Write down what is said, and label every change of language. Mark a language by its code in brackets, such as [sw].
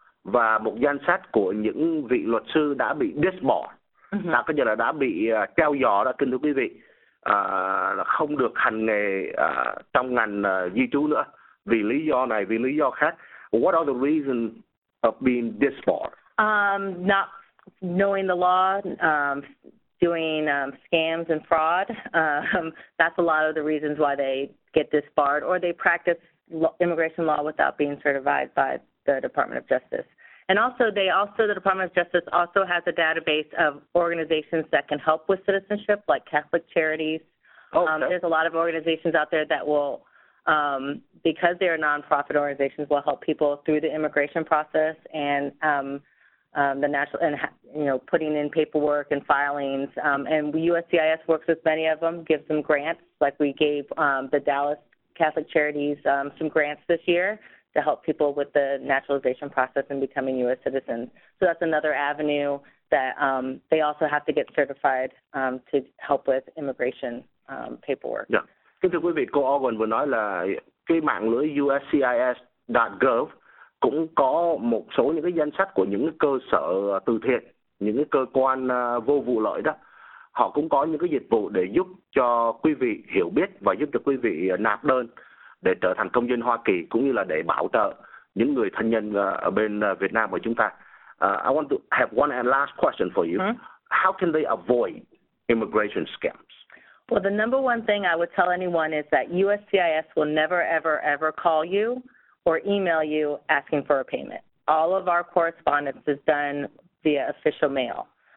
[vi] và một danh sách của những vị luật sư đã bị dứt bỏ, đã có nghĩa là đã bị treo giò đó, kính thưa quý vị, là không được hành nghề trong ngành di trú nữa vì lý do này, vì lý do khác. [en] What are the reasons of being disbarred? Not knowing the law, doing scams and fraud. That's a lot of the reasons why they get disbarred, or they practice immigration law without being certified by the Department of Justice. And also, the Department of Justice also has a database of organizations that can help with citizenship, like Catholic Charities. Okay. There's a lot of organizations out there that will, because they are nonprofit organizations, will help people through the immigration process and the national, and putting in paperwork and filings. And USCIS works with many of them, gives them grants. Like we gave the Dallas Catholic Charities some grants this year to help people with the naturalization process and becoming U.S. citizens. So that's another avenue that they also have to get certified to help with immigration paperwork. Yeah. [vi] Thưa quý vị, cô Owen vừa nói là cái mạng lưới USCIS.gov cũng có một số những cái danh sách của những cái cơ sở từ thiện, những cái cơ quan vô vụ lợi đó. Họ cũng có những cái dịch vụ để giúp cho quý vị hiểu biết và giúp cho quý vị nạp đơn để trở thành công dân Hoa Kỳ, cũng như là để bảo trợ những người thân nhân ở bên Việt Nam của chúng ta. [en] I want to have one and last question for you. How can they avoid immigration scams? Well, the number one thing I would tell anyone is that USCIS will never, ever, ever call you or email you asking for a payment. All of our correspondence is done via official mail.